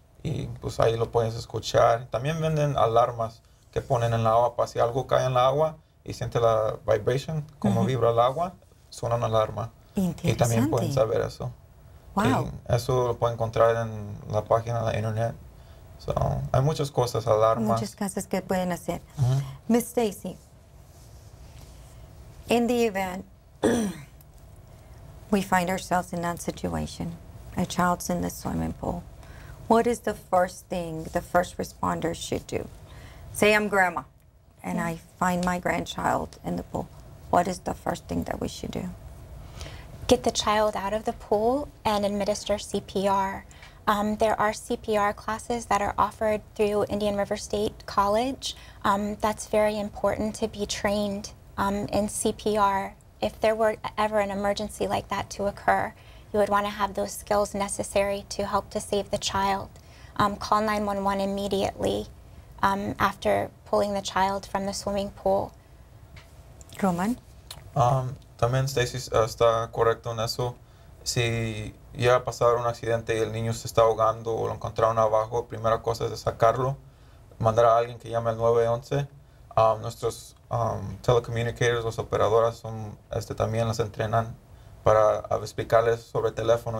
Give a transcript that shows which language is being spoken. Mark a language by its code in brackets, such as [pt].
[es] Y pues ahí lo puedes escuchar. También venden alarmas que ponen en la agua para si algo cae en la agua y siente la vibration, como, uh-huh, vibra el agua, suena una alarma. Interesante. Y también pueden saber eso. Wow. Y eso lo pueden encontrar en la página de la internet. So, hay muchas cosas, alarmas. Muchas cosas que pueden hacer. Uh-huh. [en] Miss Stacy, in the event we find ourselves in that situation, a child's in the swimming pool, what is the first thing the first responder should do? Say I'm grandma. And I find my grandchild in the pool. What is the first thing that we should do? Get the child out of the pool and administer CPR. There are CPR classes that are offered through Indian River State College. That's very important to be trained in CPR. If there were ever an emergency like that to occur, you would want to have those skills necessary to help to save the child. Call 911 immediately after pulling the child from the swimming pool. Roman? [es] También Stacy está correcto en eso. Si ya ha pasado un accidente y el niño se está ahogando o lo encontraron abajo, primera cosa es de sacarlo, mandar a alguien que llame al 911. Nuestros telecommunicators, los operadoras, también las entrenan para explicarles sobre teléfono.